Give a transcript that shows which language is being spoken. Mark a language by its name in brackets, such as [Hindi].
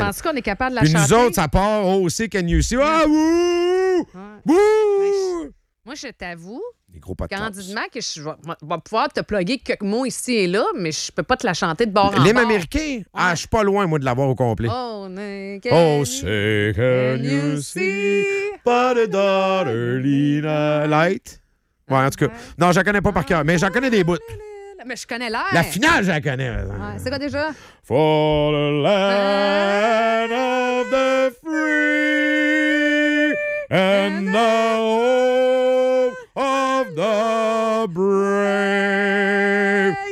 [French] Je pense qu'on est capable de la puis chanter. Puis nous autres, ça part aussi, [English] can you see? Ah, wouh! Wouh! [French] Moi, je t'avoue. Gros podcast. Candidement, que je vais pouvoir te plugger quelques mots ici et là, mais je peux pas te la chanter de bord en bord. L'hymne américain? Ouais. Ah, je suis pas loin, moi, de l'avoir au complet. Oh, [English] say, can you see by the dawnly light? [French] Ouais, en tout cas. Non, je la connais pas par cœur, mais j'en connais des bouts. Mais je connais l'air. La finale, je la connais. Ouais, c'est quoi déjà? [English] For the land of the free and the home of the brave.